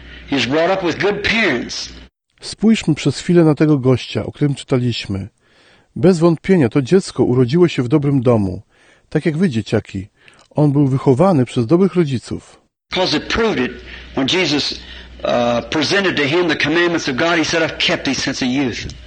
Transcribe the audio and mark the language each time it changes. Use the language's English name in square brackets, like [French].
[English] He was brought up with good parents. [Polish] Spójrzmy przez chwilę na tego gościa, o którym czytaliśmy. Bez wątpienia to dziecko urodziło się w dobrym domu, tak jak wy, dzieciaki. On był wychowany przez dobrych rodziców. [English] Because it proved it when Jesus presented to him the commandments of God, he said, "I've kept these since a youth."